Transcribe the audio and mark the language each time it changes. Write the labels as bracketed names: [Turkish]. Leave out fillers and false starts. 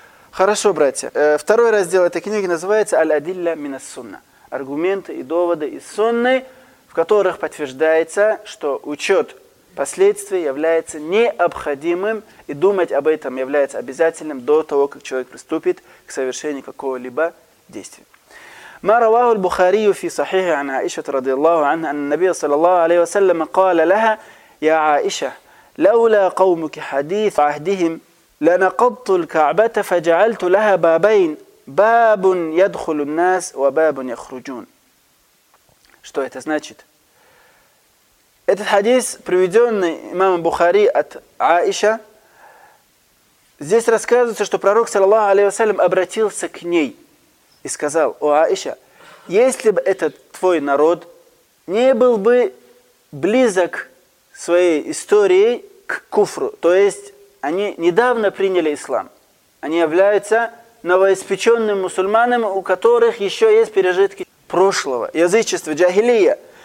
[Russian] Хорошо, братья. Второй раздел этой книги называется «Аль-Адилля минас сунна». Аргументы и доводы из сунны, в которых подтверждается, что учет последствий является необходимым, и думать об этом является обязательным до того, как человек приступит к совершению какого-либо действия. [Arabic] ما رواه البخاري في صحيحه عن عائشة رضي الله عنها أن النبي صلى الله عليه وسلم قال لها يا عائشة لولا قومك حديث عهدهم لنقضت الكعبة فجعلت لها بابين باب يدخل الناس وباب يخرجون. [Russian] Что это значит? Этот хадис, приведенный имамом Бухари от Аиша, здесь рассказывается, что пророк صلى الله عليه وسلم обратился к ней и сказал: «О Аиша, если бы этот твой народ не был бы близок своей истории к куфру, то есть они недавно приняли ислам, они являются новоиспеченными мусульманами, у которых еще есть пережитки прошлого, язычества, джахилия.